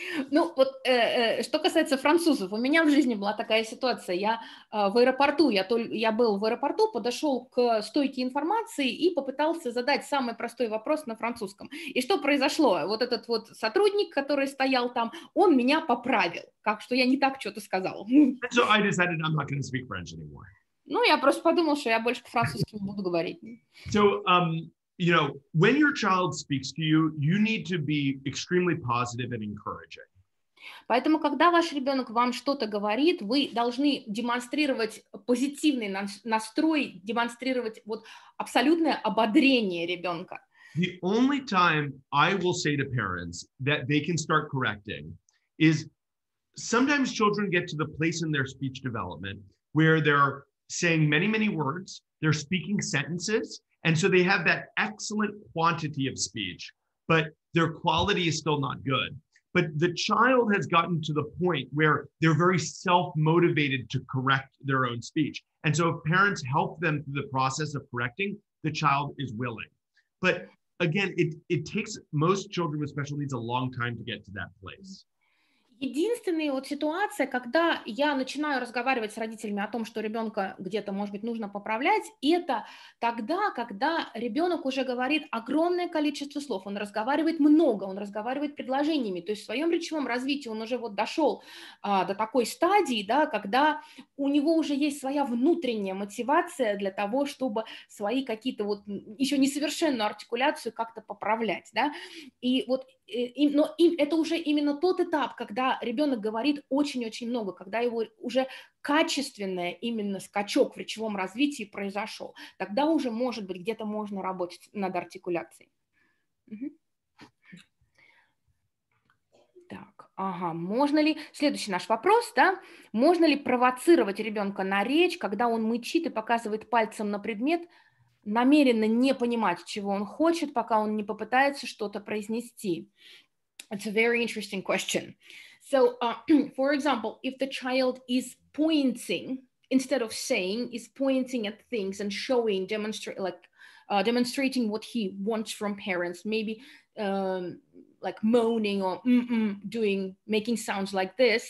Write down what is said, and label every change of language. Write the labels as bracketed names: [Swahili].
[Russian] Ну, вот, что касается французов, у меня в жизни была такая ситуация. Я в аэропорту, я был в аэропорту, подошел к стойке информации и попытался задать самый простой вопрос на французском. И что произошло? Вот этот вот сотрудник, который стоял там, он меня поправил, как что я не так что-то сказал. [English] And so I decided I'm not going to speak French anymore. [Russian] Ну, я просто подумал, что я больше по-французски не буду говорить. [English] So, you know, when your child speaks to you, you need to be extremely positive and encouraging. [Russian] Поэтому, когда ваш ребенок вам что-то говорит, вы должны демонстрировать позитивный настрой, демонстрировать вот абсолютное ободрение ребенка. [English] The only time I will say to parents that they can start correcting is sometimes children get to the place in their speech development where they're saying many, many words, they're speaking sentences, and so they have that excellent quantity of speech, but their quality is still not good. But the child has gotten to the point where they're very self-motivated to correct their own speech. And so if parents help them through the process of correcting, the child is willing. But again, it takes most children with special needs a long time to get to that place. [Russian] Единственная вот ситуация, когда я начинаю разговаривать с родителями о том, что ребенка где-то, может быть, нужно поправлять, это тогда, когда ребенок уже говорит огромное количество слов, он разговаривает много, он разговаривает предложениями, то есть в своем речевом развитии он уже вот дошел до такой стадии, да, когда у него уже есть своя внутренняя мотивация для того, чтобы свои какие-то вот еще несовершенную артикуляцию как-то поправлять, да, и вот но им это уже именно тот этап, когда ребенок говорит очень-очень много, когда его уже качественный именно скачок в речевом развитии произошел. Тогда уже, может быть, где-то можно работать над артикуляцией. Так, ага, можно ли, следующий наш вопрос, да, можно ли провоцировать ребенка на речь, когда он мычит и показывает пальцем на предмет, намеренно не понимать, чего он хочет, пока он не попытается что-то произнести? [English] It's a very interesting question. So, for example, if the child is pointing, instead of saying, is pointing at things and showing, demonstrating what he wants from parents, maybe like moaning or making sounds like this.